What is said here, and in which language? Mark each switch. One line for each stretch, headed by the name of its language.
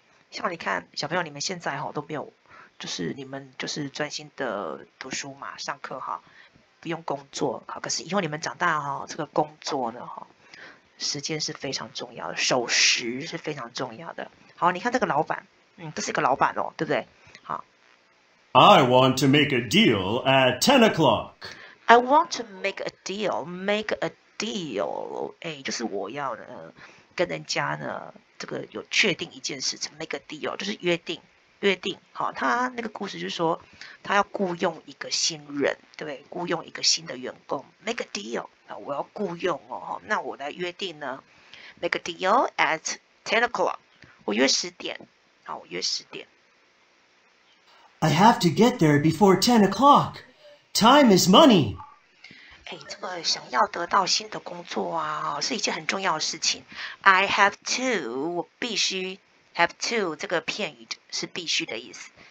Chinese: 像你看，小朋友，你们现在哈都没有，就是你们就是专心的读书嘛，上课哈，不用工作。好，可是以后你们长大哈，这个工作呢，哈，时间是非常重要的，守时是非常重要的。好，你看这个老板，这是一个老板哦，对不对？好。
English: I want to make a deal at 10 o'clock. I want to make a deal. Make a deal.
Chinese: 就是我要呢跟人家呢这个有确定一件事情。
English: Make a deal
Chinese: 就是约定，约定。好，他那个故事就是说他要雇用一个新人，对，雇用一个新的员工。
English: Make a deal.
Chinese: 我要雇用哦，那我来约定呢。
English: Make a deal at 10 o'clock.
Chinese: 我约十点。好，我约十点。
English: I have to get there before 10 o'clock. Time is money.
Chinese: 这个想要得到新的工作啊，是一件很重要的事情。 I have to, 我必须 have to, 这个片语是必须的意思。